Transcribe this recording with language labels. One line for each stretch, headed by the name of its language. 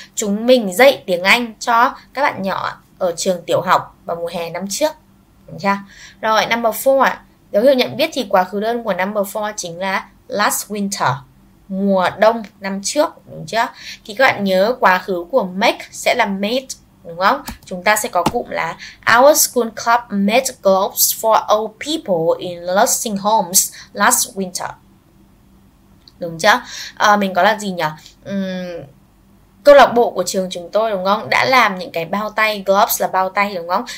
Vietnamese: Chúng mình dạy tiếng Anh cho các bạn nhỏ ở trường tiểu học vào mùa hè năm trước. Đúng chưa? Rồi, number 4. Dấu hiệu nhận biết thì quá khứ đơn của number 4 chính là last winter. Mùa đông năm trước, đúng chưa? Thì các bạn nhớ quá khứ của make sẽ là made, đúng không? Chúng ta sẽ có cụm là
English: our school club made gloves for old people in nursing homes last winter.
Vietnamese: Đúng chưa? À, mình có là gì nhỉ? Câu lạc bộ của trường chúng tôi, đúng không? Đã làm những cái bao tay, gloves là bao tay, đúng không?